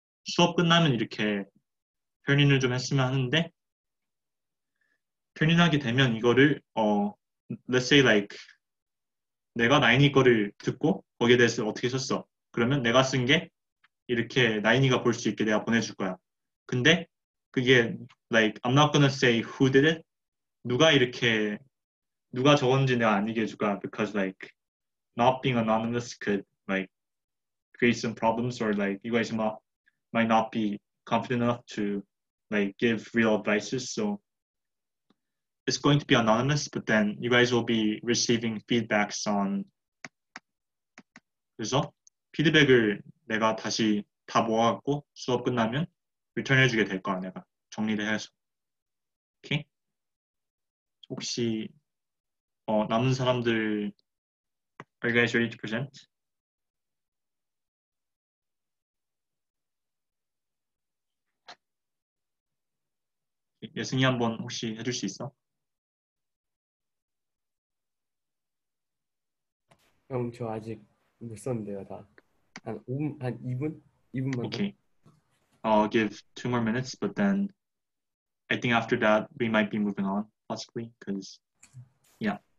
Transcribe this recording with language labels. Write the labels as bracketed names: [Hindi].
[Korean] 수업 끝나면 이렇게 turn in을 좀 했으면 하는데 turn in 하게 되면 이거를 [English] Let's say like [Korean] 내가 나인이 거를 듣고 거기에 대해서 어떻게 썼어? 그러면 내가 쓴 게 이렇게 나인이가 볼 수 있게 내가 보내줄 거야. 근데 그게 [English] like I'm not gonna say who did it. [Korean] 누가 이렇게 누가 적었는지 내가 안 얘기해줄 거야. [English] Because like not being anonymous could like create some problems or like you guys might not be confident enough to like give real advices. So it's going to be anonymous, but then you guys will be receiving feedbacks on [Korean] 그래서 피드백을 내가 다시 다 모아갖고 수업 끝나면 리턴해주게 될 거야 내가 정리를 해서 오케이? 혹시 남은 사람들 [English] Are you guys ready to present? Okay. [Korean] 예승이 한번 혹시 해줄 수 있어? 형, 저 아직 못 썼는데요, 다. 한 2분만 [English] Okay. I'll give 2 more minutes, but then I think after that we might be moving on, possibly, because, yeah.